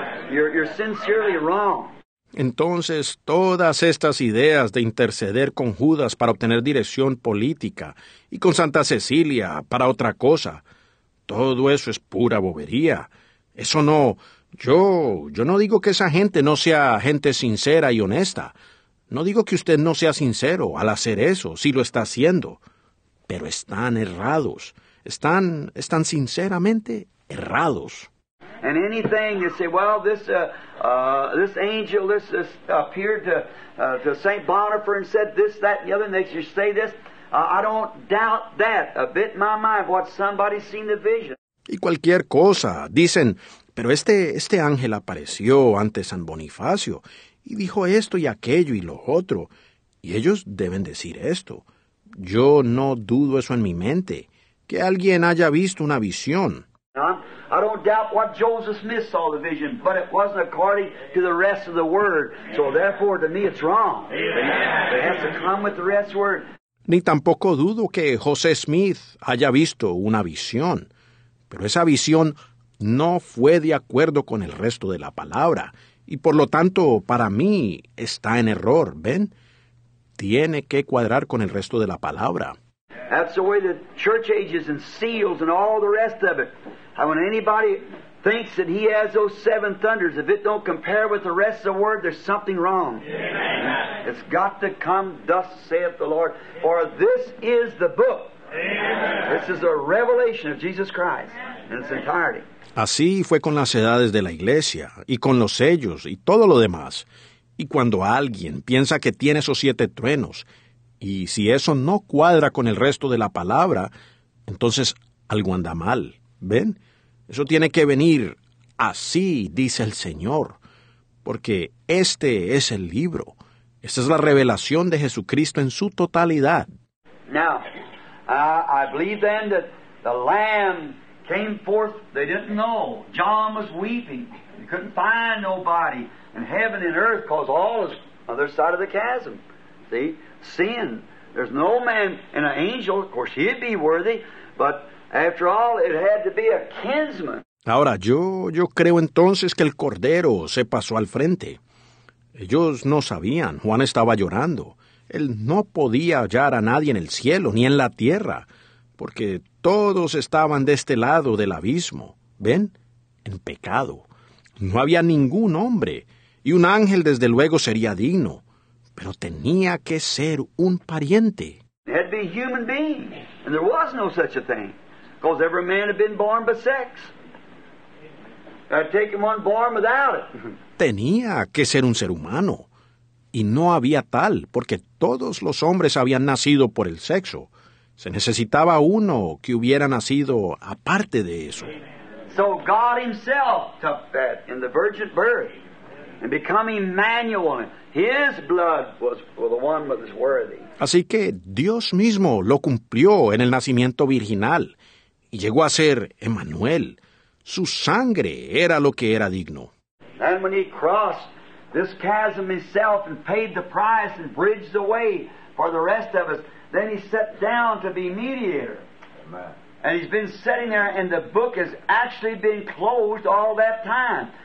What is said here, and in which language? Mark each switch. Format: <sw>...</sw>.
<en>You're sincerely wrong.</en> <es>Entonces, todas estas ideas de interceder con Judas para obtener dirección política y con Santa Cecilia para otra cosa, todo eso es pura bobería. Eso no, yo no digo que esa gente no sea gente sincera y honesta. No digo que usted no sea sincero al hacer eso, si lo está haciendo. Pero están errados. Están sinceramente errados.</es> <en>And anything you say, well, this angel appeared to Saint Bonifer and said this, that, and the other, and they should say this. I don't doubt that a bit in my mind. What somebody seen the vision.</en> <es>Y cualquier cosa dicen, pero este ángel apareció ante San Bonifacio y dijo esto y aquello y lo otro, y ellos deben decir esto. Yo no dudo eso en mi mente, que alguien haya visto una visión.</es> <en>I don't doubt what Joseph Smith saw the vision, but it wasn't according to the rest of the word. So therefore, to me, it's wrong. It has to come with the rest of the word.</en> <es>Ni tampoco dudo que José Smith haya visto una visión, pero esa visión no fue de acuerdo con el resto de la palabra, y por lo tanto, para mí, está en error, ¿ven? Tiene que cuadrar con el resto de la palabra.</es> <en>That's the way the church ages and seals and all the rest of it. And when anybody thinks that he has those seven thunders, if it don't compare with the rest of the word, there's something wrong. Amen. It's got to come, thus saith the Lord. For this is the book. Amen. This is a revelation of Jesus Christ in its entirety.</en> <es>Así fue con las edades de la iglesia, y con los sellos, y todo lo demás. Y cuando alguien piensa que tiene esos siete truenos, y si eso no cuadra con el resto de la palabra, entonces algo anda mal. ¿Ven? Eso tiene que venir así, dice el Señor. Porque este es el libro. Esta es la revelación de Jesucristo en su totalidad.</es> <en>Now, I believe then that the Lamb came forth, they didn't know. John was weeping. He couldn't find nobody in heaven and earth because all is other side of the chasm. See? Sin. There's no man and an angel. Of course, he'd be worthy, but after all, it had to be a kinsman.</en> <es>Ahora, yo creo entonces que el Cordero se pasó al frente. Ellos no sabían. Juan estaba llorando. Él no podía hallar a nadie en el cielo ni en la tierra, porque todos estaban de este lado del abismo. ¿Ven? En pecado. No había ningún hombre, y un ángel desde luego sería digno. Pero tenía que ser un pariente.</es> <en>It'd be a human being, and there was no such a thing, because every man had been born by sex. I'd take him one born without it.</en> <es>Tenía que ser un ser humano, y no había tal, porque todos los hombres habían nacido por el sexo. Se necesitaba uno que hubiera nacido aparte de eso.</es> <en>So God himself took that in the virgin birth. And becoming Emmanuel, his blood was for the one that was worthy.</en> <es>Así que Dios mismo lo cumplió en el nacimiento virginal y llegó a ser Emmanuel. Su sangre era lo que era digno.</es> <en>And when he crossed this chasm himself and paid the price and bridged the way for the rest of us, then he sat down to be mediator. Amen. And he's been sitting there, and the book has actually been closed all that time.</en>